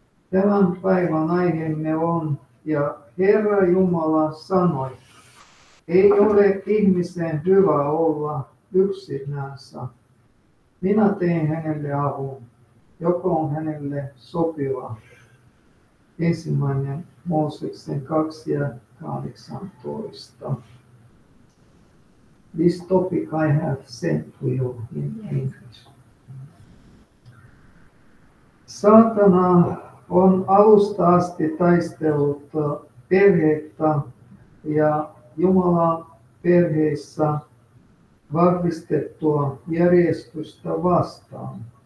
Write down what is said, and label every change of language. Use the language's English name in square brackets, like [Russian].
[Finnish] Tämän päivän aiheemme on, ja Herra Jumala sanoi, ei ole ihmisen hyvä olla yksinänsä. Minä teen hänelle avun, joka on hänelle sopiva. Ensimmäinen Mooseksen 2:18. [English] This topic I have sent to you in English. [Finnish] Saatana on alusta asti taistellut perhettä ja Jumalan perheissä vahvistettua järjestystä vastaan.